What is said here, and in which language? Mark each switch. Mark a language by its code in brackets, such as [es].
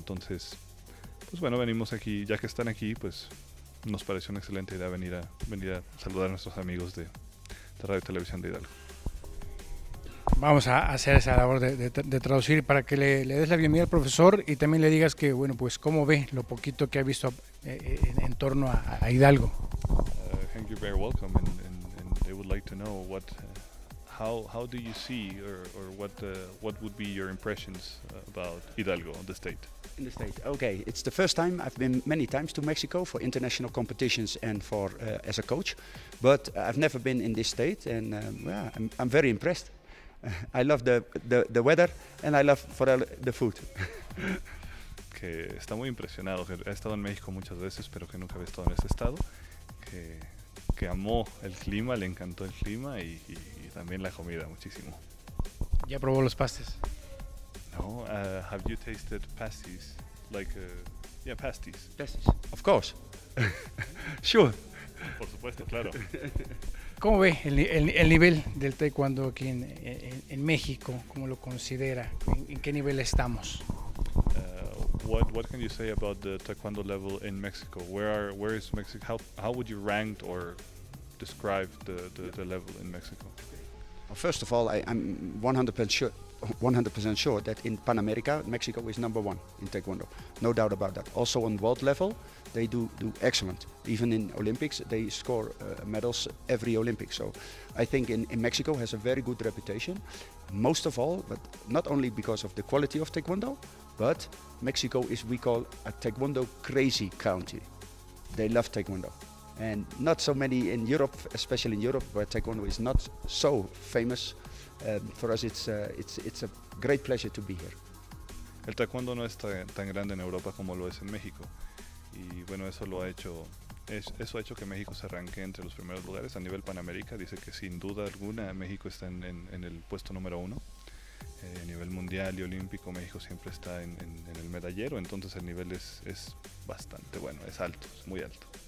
[es] Entonces, pues bueno, venimos aquí, ya que están aquí, pues nos pareció una excelente idea venir a saludar a nuestros amigos de Radio Televisión de Hidalgo. Vamos a hacer esa labor de traducir para que le des la bienvenida al profesor y también le digas que, bueno, pues cómo ve lo poquito que ha visto en torno a Hidalgo. [en] Thank you, very welcome, and they would like to know what, how do you see or what would be your impressions about Hidalgo, the state? In the state, okay. It's the first time. I've been many times to Mexico for international competitions and for as a coach, but I've never been in this state, and I'm very impressed. I love the weather and I love for the food. [es] Que está muy impresionado, que ha estado en México muchas veces, pero que nunca había estado en ese estado, que amó el clima, le encantó el clima y también la comida muchísimo. ¿Ya probó los pastes? [en] No, have you tasted pasties? Pasties. Pasties, of course. Sure. [es] Por supuesto, claro. ¿Cómo ve el nivel del taekwondo aquí en México? ¿Cómo lo considera? ¿En qué nivel estamos? [en] What can you say about the taekwondo level in Mexico? Where is Mexico? How would you rank or describe the level in Mexico? Well, first of all, I'm 100% sure that in Pan America, Mexico is number one in taekwondo. No doubt about that. Also on world level, they do excellent. Even in Olympics, they score medals every Olympics. So I think in Mexico has a very good reputation. Most of all, but not only because of the quality of taekwondo, but Mexico is, we call, a taekwondo crazy country. They love taekwondo. And not so many in Europe, especially in Europe, where taekwondo is not so famous. For us, it's a great pleasure to be here. [es] El taekwondo no es tan grande en Europa como lo es en México, y bueno, eso ha hecho que México se arranque entre los primeros lugares a nivel Panamérica. Dice que sin duda alguna México está en el puesto número uno a nivel mundial y olímpico. México siempre está en el medallero, entonces el nivel es bastante bueno, es alto, es muy alto.